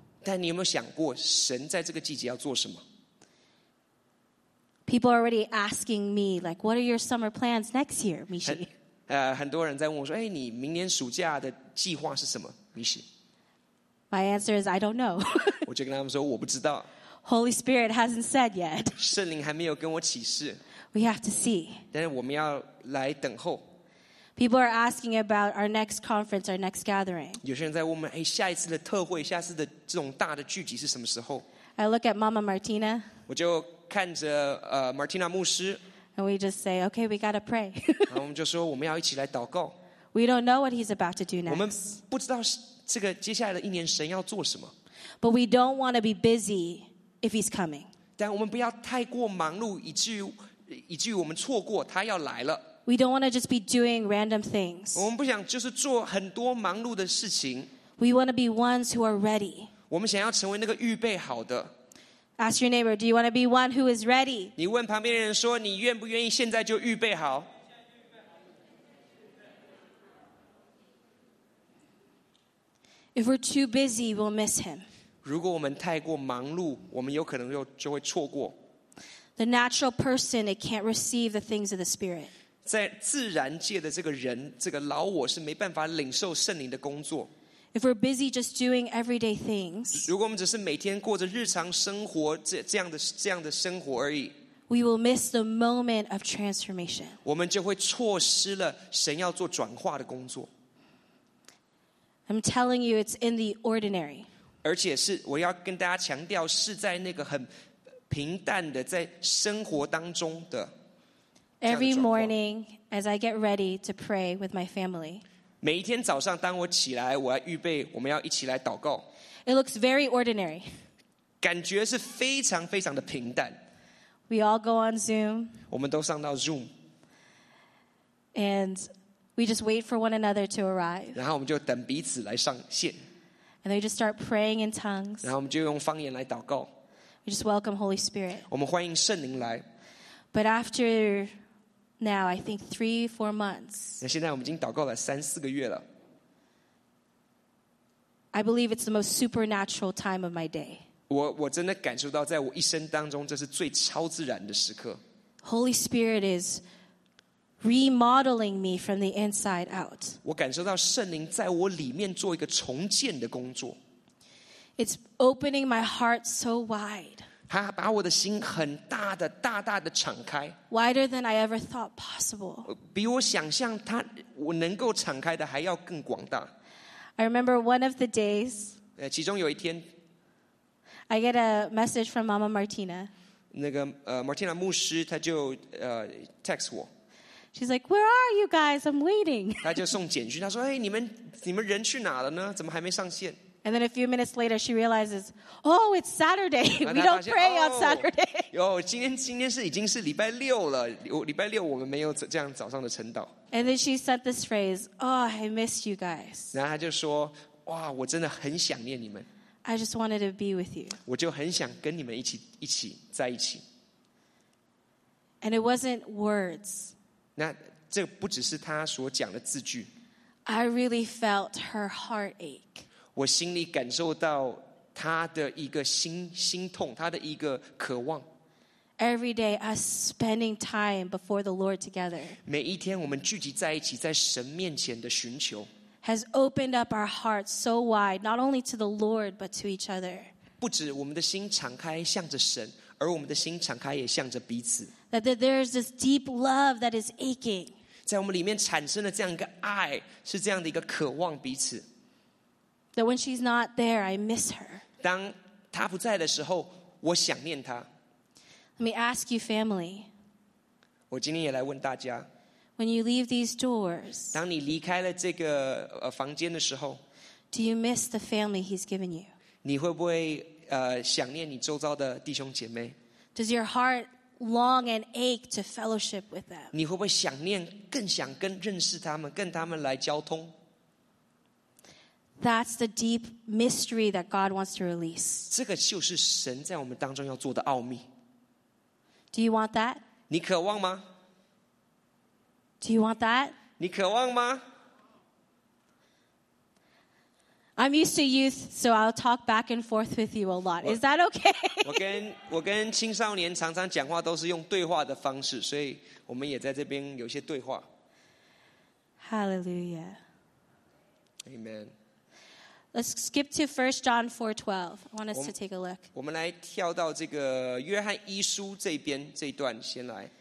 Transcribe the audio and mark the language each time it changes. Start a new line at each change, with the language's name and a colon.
Chinese: 但你有没有想过神在这个季节要做什么?
English: People are already asking me, like, what are your summer plans next year, Mishi?
Chinese: 很多人在问我说, 哎, 你明年暑假的计划是什么, Mishi?
English: My answer is, I don't know.
Chinese: 我就跟他们说, 我不知道。
English: Holy Spirit hasn't said yet.
Chinese: 圣灵还没有跟我启示。
English: We have to see.
Chinese: 但是我们要来等候。
English: People are asking about our next conference, our next gathering.
Chinese: 有些人在问我们, 哎, 下一次的特会, 下次的这种大的聚集是什么时候?
English: I look at Mama Martina.
Chinese: 我就看着, Martina 牧师,
English: and we just say, okay, we gotta pray.
Chinese: 然后我们就说我们要一起来祷告。
English: We don't know what he's about to do next.
Chinese: 我们不知道这个接下来的一年神要做什么。
English: But we don't want to be busy if he's coming.
Chinese: 但我们不要太过忙碌, 以至于我们错过他要来了。
English: We don't want to just be doing random things.
Chinese: 我们不想就是做很多忙碌的事情。
English: We want to be ones who are ready.
Chinese: 我们想要成为那个预备好的。
English: Ask your neighbor, do you want to be one who is ready?
Chinese: 你问旁边人说, 你愿不愿意现在就预备好?
English: If we're too busy, we'll miss him.
Chinese: 如果我们太过忙碌, 我们有可能就会错过。
English: The natural person, it can't receive the things of the Spirit.
Chinese: 在自然界的这个人, 这个老我是没办法领受圣灵的工作。
English: If we're busy just doing everyday things,
Chinese: 如果我们只是每天过着日常生活, 这样的生活而已,
English: we will miss the moment of transformation.
Chinese: 我们就会错失了神要做转化的工作。
English: I'm telling you, it's in the ordinary.
Chinese: 而且是我要跟大家强调, 是在那个很平淡的, 在生活当中的。
English: Every morning, as I get ready to pray with my family,
Chinese: 每一天早上当我起来, 我要预备, 我们要一起来祷告,
English: it looks very ordinary.
Chinese: 感觉是非常非常的平淡。
English: We all go on Zoom.
Chinese: 我们都上到Zoom.
English: And we just wait for one another to arrive.
Chinese: 然后我们就等彼此来上线。
English: And they just start praying in tongues.
Chinese: 然后我们就用方言来祷告。
English: We just welcome Holy Spirit.
Chinese: 我们欢迎圣灵来。
English: But after now, I think 3-4 months.
Chinese: 现在我们已经祷告了三四个月了。
English: I believe it's the most supernatural time of my day.
Chinese: 我真的感受到在我一生当中这是最超自然的时刻。
English: Holy Spirit is remodeling me from the inside out.
Chinese: 我感受到圣灵在我里面做一个重建的工作。
English: It's opening my heart so wide.
Chinese: 他把我的心很大的大大的敞开,
English: wider than I ever thought possible.
Chinese: 比我想象他能够敞开的还要更广大。
English: I remember one of the days,
Chinese: 其中有一天,
English: I get a message from Mama Martina.
Chinese: 那个, Martina 牧师他就, text 我。
English: She's like, where are you guys? I'm waiting.
Chinese: 他就送简讯, 他说, 哎, 你们人去哪了呢? 怎么还没上线?
English: And then a few minutes later, she realizes, oh, it's Saturday. We don't pray on Saturday.
Chinese: Oh, 今天已经是礼拜六了。礼拜六我们没有这样早上的晨祷。
English: And then she sent this phrase, oh, I miss you guys.
Chinese: 然后她就说, 哇, 我真的很想念你们。
English: I just wanted to be with you.
Chinese: 我就很想跟你们一起在一起。
English: And it wasn't words.
Chinese: 那这不只是她所讲的字句。
English: I really felt her heart ache.
Chinese: 我心里感受到他的一个心痛，他的一个渴望。
English: Every day, us spending time before the Lord together,
Chinese: 每一天我们聚集在一起, 在神面前的寻求,
English: has opened up our hearts so wide, not only to the Lord, but to each other.
Chinese: 不止我们的心敞开向着神, 而我们的心敞开也向着彼此。
English: That there's this deep love that is aching.
Chinese: 在我们里面产生的这样一个爱, 是这样的一个渴望彼此。
English: That when she's not there, I miss her.
Chinese: 当她不在的时候,我想念他。
English: Let me ask you, family.
Chinese: 我今天也来问大家。
English: When you leave these doors,
Chinese: 当你离开了这个房间的时候，
English: do you miss the family he's given you?
Chinese: 你会不会想念你周遭的弟兄姐妹？
English: Does your heart long and ache to fellowship with them?
Chinese: 你会不会想念，更想跟认识他们，跟他们来交通？
English: That's the deep mystery that God wants to release.
Chinese: 这个就是神在我们当中要做的奥秘。
English: Do you want that?
Chinese: 你渴望吗？
English: Do you want that?
Chinese: 你渴望吗？
English: I'm used to youth, so I'll talk back and forth with you a lot. Is that okay?
Chinese: 我跟青少年常常讲话都是用对话的方式，所以我们也在这边有些对话。
English: Hallelujah. Amen. Let's skip to 1 John 4:12. I want us to take a look.
Chinese: 我们来跳到这个约翰一书这边这段先来。